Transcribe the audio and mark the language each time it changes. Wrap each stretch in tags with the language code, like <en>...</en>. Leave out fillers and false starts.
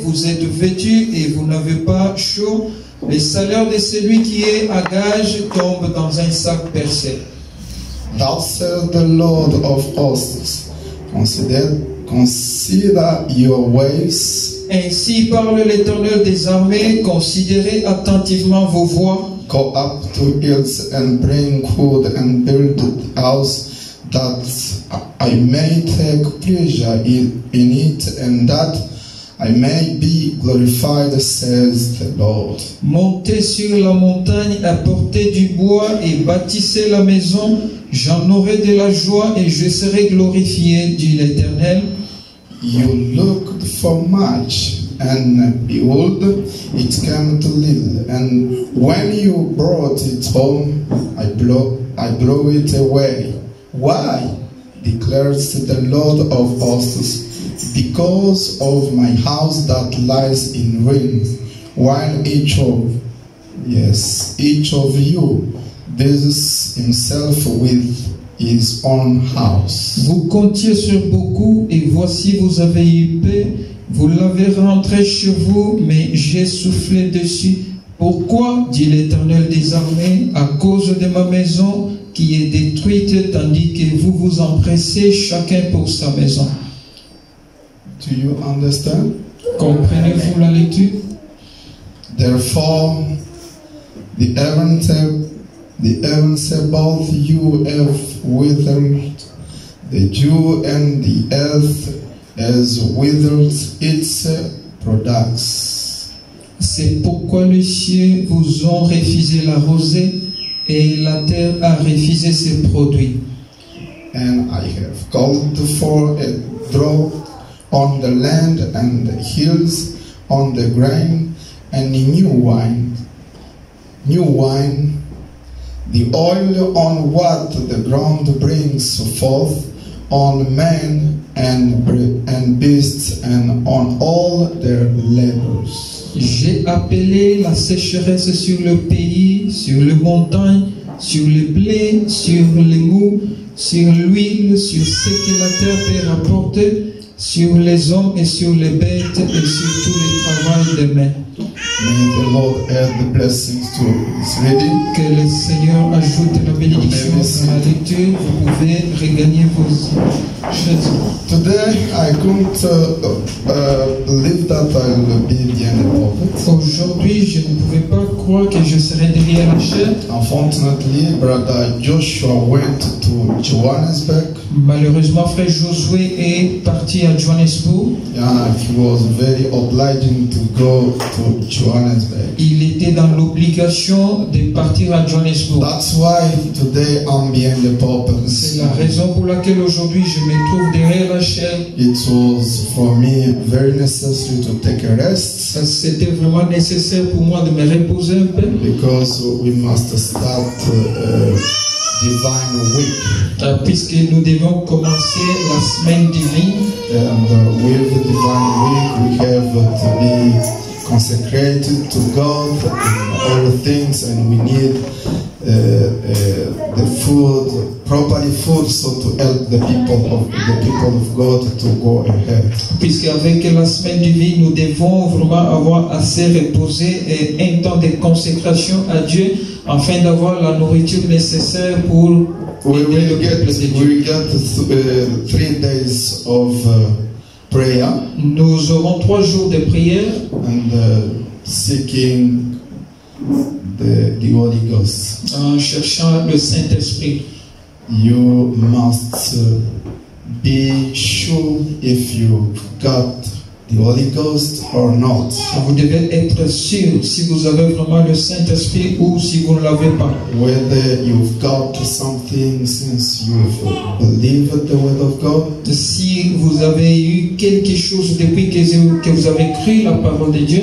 <fr>Vous êtes vêtu et vous n'avez pas chaud. Le salaire de celui qui est à gage tombe dans un sac percé.</fr> <en>Thou serve the Lord of hosts. Consider your ways.</en> <fr>Ainsi parle l'Éternel des armées, considérez attentivement vos voies.</fr> <en>Go up to hills and bring food and build a house that I may take pleasure in it and that I may be glorified, says the Lord.</en> <fr>Montez sur la montagne, apportez du bois et bâtissez la maison. J'en aurai de la joie et je serai glorifié, dit l'Éternel.</fr> <en>You looked for much, and behold, it came to little. And when you brought it home, I blew it away. Why? Declares the Lord of hosts. Because of my house that lies in ruins, while each of you busies himself with his own house.</en> <fr>Vous comptiez sur beaucoup et voici vous avez eu peu. Vous l'avez rentré chez vous, mais j'ai soufflé dessus. Pourquoi, dit l'Éternel des armées, à cause de ma maison qui est détruite, tandis que vous vous empressez chacun pour sa maison.</fr> <en>Do you understand?</en> <fr>Comprenez-vous la lecture?</fr> <en>Therefore, the heavens above you have withered, the dew and the earth has withered its products.</en> <fr>C'est pourquoi les cieux vous ont refusé la rosée et la terre a refusé ses produits.</fr> <en>And I have called for a drought on the land and the hills, on the grain and the new wine, the oil on what the ground brings forth, on men and beasts and on all their labors.</en> <fr>J'ai appelé la sécheresse sur le pays, sur les montagnes, sur le blé, sur les moûts, sur l'huile, sur ce que la terre peut rapporter, sur les hommes et sur les bêtes et sur tous les travaux des mains.</fr> <en>May the Lord add the blessings to this lady.</en> <fr>Que le Seigneur ajoute la bénédiction à la lecture. Vous pouvez regagner vos chaises.</fr> <en>Today I couldn't believe that I would be behind the pulpit.</en> <fr>Aujourd'hui, je ne pouvais pas croire que je serais derrière la chaise.</fr> <en>Unfortunately, Brother Joshua went to Johannesburg.</en> <fr>Malheureusement, frère Josué est parti à Johannesburg.</fr> <en>Yeah, he was very obliging to go to Johannesburg.</en> <fr>Il était dans l'obligation de partir à Johannesburg.</fr> <en>That's why today I'm behind the pulpit.</en> <fr>C'est la raison pour laquelle aujourd'hui je me trouve derrière la chaise.</fr> <en>It was for me very necessary to take a rest.</en> <fr>Ça, c'était vraiment nécessaire pour moi de me reposer un peu.</fr> <en>Because we must start divine week.</en> <fr>Puisque nous devons commencer la semaine divine.</fr> <en>And with the divine week, we have to be consecrated to God in all things, and we need the food, properly food, so to help the people of God to go ahead.</en> <fr>Puisque avec la semaine divine, nous devons vraiment avoir assez reposé et un temps de consécration à Dieu afin d'avoir la nourriture nécessaire pour aider le peuple de Dieu.</fr> <en>We get 3 days of prayer.</en> <fr>Nous aurons 3 jours de prière.</fr> <en>And seeking the Holy Ghost.</en> <fr>En cherchant le Saint-Esprit.</fr> <en>You must be sure if you got the Holy Ghost or not.</en> <fr>Vous devez être sûr si vous avez vraiment le Saint-Esprit ou si vous ne l'avez pas.</fr> <en>Whether you've got something since you've believed the word of God.</en> <fr>Si vous avez eu quelque chose depuis que vous avez cru la parole de Dieu.</fr>